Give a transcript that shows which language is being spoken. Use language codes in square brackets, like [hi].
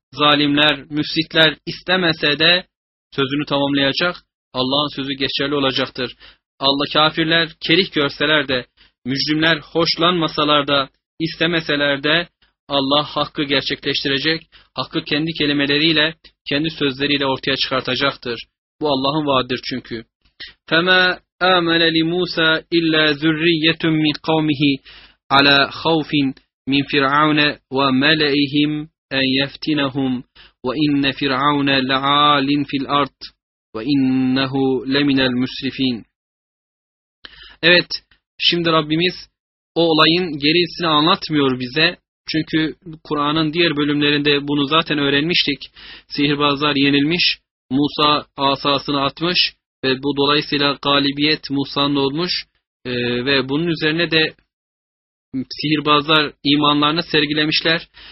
[tr] zalimler, müfsitler istemese de sözünü tamamlayacak, Allah'ın sözü geçerli olacaktır. Allah kafirler kerih görseler de, mücrimler hoşlanmasalar da, istemeseler de Allah hakkı gerçekleştirecek, hakkı kendi kelimeleriyle, kendi sözleriyle ortaya çıkartacaktır. Bu Allah'ın vaadidir çünkü. [ar] فَمَا آمَنَ لِمُوسَى اِلَّا ذُرِّيَّةٌ مِنْ قَوْمِهِ عَلَى خَوْفٍ مِنْ فِرْعَوْنَ وَمَلَئِهِمْ اَنْ يَفْتِنَهُمْ وَاِنَّ فِرْعَوْنَ لَعَالٍ فِي الْاَرْضِ وَاِنَّهُ لَمِنَ الْمُسْرِفِينَ [tr] Evet, şimdi Rabbimiz o olayın gerisini anlatmıyor bize. Çünkü Kur'an'ın diğer bölümlerinde bunu zaten öğrenmiştik. Sihirbazlar yenilmiş, Musa asasını atmış ve bu dolayısıyla galibiyet Musa'nın olmuş. Ve bunun üzerine de sihirbazlar imanlarını sergilemişler.